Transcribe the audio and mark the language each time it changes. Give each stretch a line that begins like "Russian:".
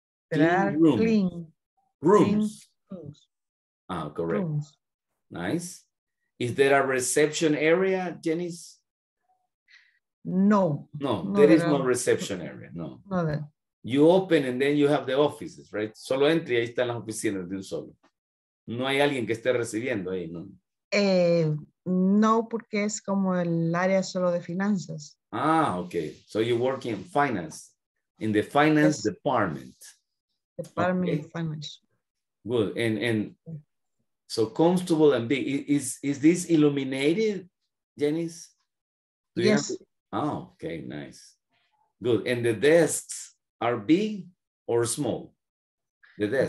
English: There are rooms. Clean. Rooms. Clean rooms. Ah, correct. Rooms. Nice. Is there a reception area, Janice? No. No, there is no reception area. No. No. You open and then you have the offices, right?
Spanish: Solo entra y ahí están las oficinas de un solo. No hay alguien que esté recibiendo ahí, ¿no? No, porque es como el área solo de finanzas.
English: Ah, okay. So you work in finance, in the finance department. Department of finance. Good. And so comfortable and big. Is this illuminated, Janice? Do you yes. Oh, okay, nice. Good. And the desks are big or small? The desk.